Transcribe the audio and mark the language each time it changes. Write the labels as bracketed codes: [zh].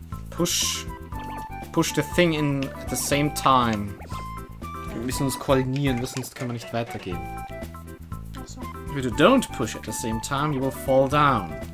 [en] Push the thing in at the same time. [de] Wir müssen uns koordinieren, sonst kann man nicht weitergehen. Ach so. [en] If you don't push at the same time, you will fall down.